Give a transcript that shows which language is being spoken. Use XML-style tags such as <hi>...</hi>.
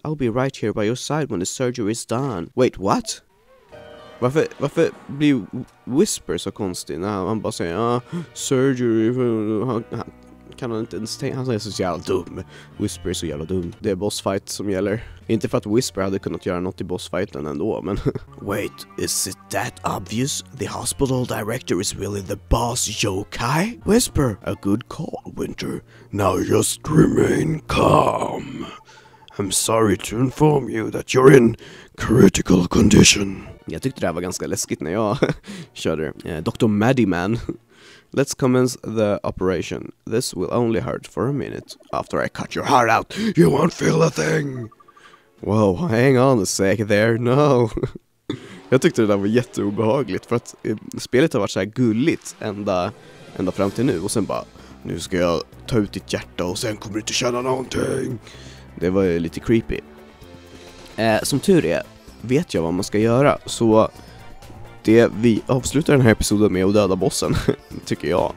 <en>I'll be right here by your side when the surgery is done. Wait, what?</en> <sv>Varför blir Whisper så konstig när han bara säger surgery? Kan han inte ens tänka? Han är så jävla dum. Whisper är så jävla dum. Det är bossfight som gäller. Inte för att Whisper hade kunnat göra något i bossfighten ändå, men...</sv> <en>Wait, is it that obvious? The hospital director is really the boss, yo-kai? Whisper, a good call, Winter. Now just remain calm. I'm sorry to inform you that you're in critical condition.</en> <sv>Jag tyckte det här var ganska läskigt när jag körde.</sv> <en>Dr. Maddyman. Let's commence the operation. This will only hurt for a minute. After I cut your heart out, you won't feel a thing. Whoa, hang on a sec there. No.</en> <sv>Jag tyckte det där var jätteobehagligt för att spelet har varit så här gulligt ända fram till nu. Och sen bara, nu ska jag ta ut ditt hjärta och sen kommer du inte känna någonting. Det var ju lite creepy. Som tur är, vet jag vad man ska göra. Så det vi avslutar den här episoden med att döda bossen, tycker jag.</sv>